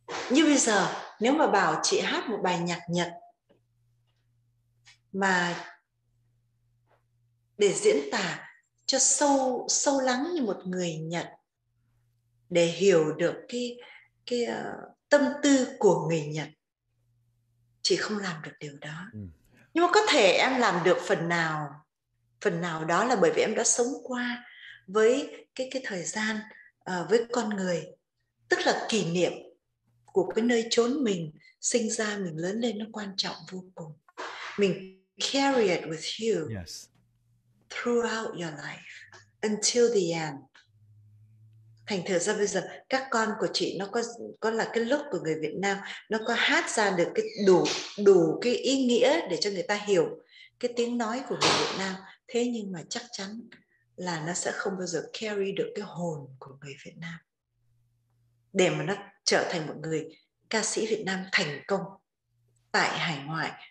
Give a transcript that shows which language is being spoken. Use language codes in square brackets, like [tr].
[vi] Như bây giờ nếu mà bảo chị hát một bài nhạc Nhật mà để diễn tả cho sâu lắng như một người Nhật, để hiểu được cái tâm tư của người Nhật, chị không làm được điều đó. Nhưng mà có thể em làm được phần nào đó là bởi vì em đã sống qua với cái thời gian với con người, tức là kỷ niệm của cái nơi chốn mình sinh ra, mình lớn lên nó quan trọng vô cùng. Mình [en] carry it with you throughout your life until the end. [vi] Thành thử ra bây giờ các con của chị nó có là cái lúc của người Việt Nam nó có hát ra được cái đủ đủ cái ý nghĩa để cho người ta hiểu cái tiếng nói của người Việt Nam. Thế nhưng mà chắc chắn là nó sẽ không bao giờ carry được cái hồn của người Việt Nam để mà nó trở thành một người ca sĩ Việt Nam thành công tại hải ngoại.